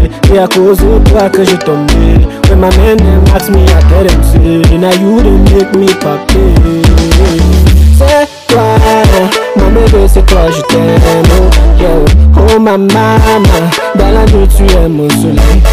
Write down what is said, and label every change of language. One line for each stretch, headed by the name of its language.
French: C'est à cause de toi que j'ai tombé.
English: When my man asks me, I tell him say, now you didn't make me papier.
French: C'est toi, mon bébé, c'est toi, je t'aime. Oh, yo, oh ma mama, dans la nuit tu es mon soleil.